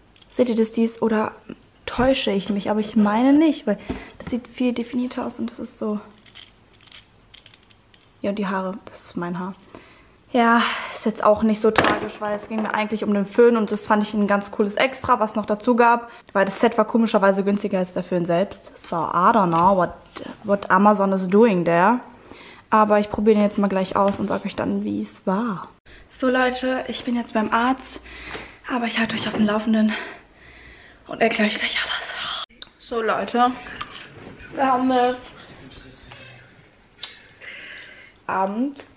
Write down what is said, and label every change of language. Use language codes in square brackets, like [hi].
[de] Seht ihr das, dies oder täusche ich mich? Aber ich meine nicht, weil das sieht viel definierter aus und das ist so. Ja, und die Haare, das ist mein Haar. Ja, ist jetzt auch nicht so tragisch, weil es ging mir eigentlich um den Föhn und das fand ich ein ganz cooles Extra, was noch dazu gab. Weil das Set war komischerweise günstiger als der Föhn selbst. [en] So, I don't know what Amazon is doing there. [de] Aber ich probiere den jetzt mal gleich aus und sage euch dann, wie es war. So Leute, ich bin jetzt beim Arzt, aber ich halte euch auf dem Laufenden und erkläre euch gleich alles. So Leute, wir haben Abend.